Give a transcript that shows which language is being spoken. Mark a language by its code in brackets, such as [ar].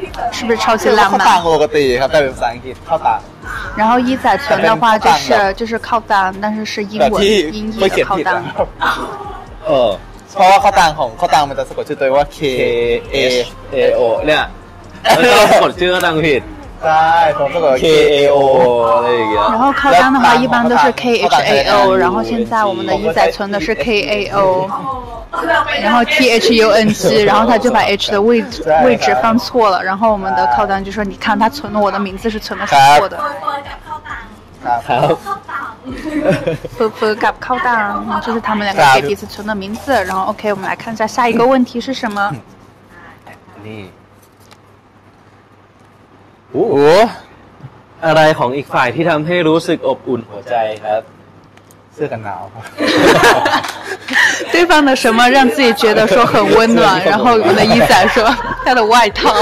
[zh] 是不是超级浪漫然后一仔存的话就是靠单但是是英文音译的靠单 [th] เพราะว่าข้อตังของข้อตังมันจะสะกดชื่อตัวเองว่า K A A O เนี่ยแล้วสะกดชื่อตังผิด ใช่ผมสะกด K A O อะไรอย่างเงี้ย แล้วข้อตังนะคะ [zh] 一般都是 K H A O แล้ว现在我们的一仔存的是 K A O然后 T H U N G 然后他就把 H 的位置放错了然后我们的靠单就说你看他存了我的名字是存的是错的好不不搞靠大了就是他们两个给彼此存的名字然后 OK 我们来看一下下一个问题是什么 [th] 哦哦อะไรของอีกฝ่ายที่ทำให้รู้สึกอบอุ่น หัวใจครับเสื้อกันหนาว [zh] 对方的什么让自己觉得说很温暖然后我们的一仔说他的外套